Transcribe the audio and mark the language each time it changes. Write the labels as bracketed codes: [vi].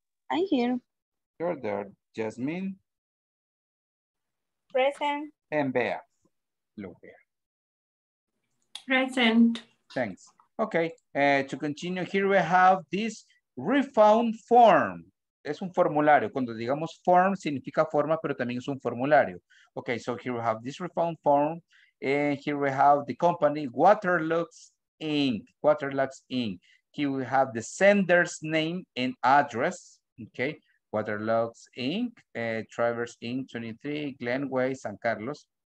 [en] I'm here. You're there. Jasmine. Present. And Bea. Hello, Bea. Present. Thanks. Okay. To continue, here we have this refund form. [es] Es un formulario. Cuando digamos form, significa forma, pero también es un formulario. [en] Okay, so here we have this refund form. And here we have the company, Waterlux Inc. Waterlux Inc. Here we have the sender's name and address. Okay, Waterlux Inc., Travers Inc., 23, Glenway, San Carlos.